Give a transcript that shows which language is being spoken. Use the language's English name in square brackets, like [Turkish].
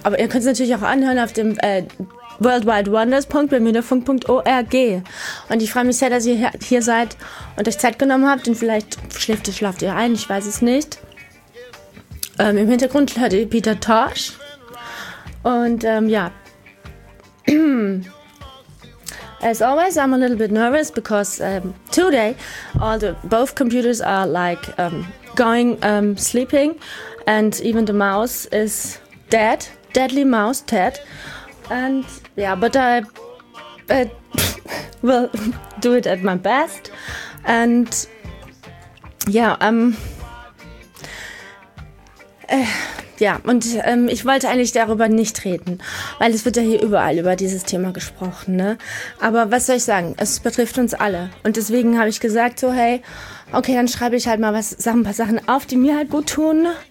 [German] Aber ihr könnt es natürlich auch anhören auf dem worldwidewonders.bermudafunk.org. Und ich freue mich sehr, dass ihr hier seid und euch Zeit genommen habt. Und vielleicht schlaft ihr ein, ich weiß es nicht. Im Hintergrund hört ihr Peter Tosh. Und ja. [English] As always, I'm a little bit nervous because today all the both computers are like going sleeping. And even the mouse is dead. Deadly mouse, dead. And yeah, but I will do it at my best. And yeah, [German] ich wollte eigentlich darüber nicht reden, weil es wird ja hier überall über dieses Thema gesprochen, ne? Aber was soll ich sagen? Es betrifft uns alle. Und deswegen habe ich gesagt so, hey, okay, dann schreibe ich halt mal ein paar Sachen auf, die mir halt gut tun.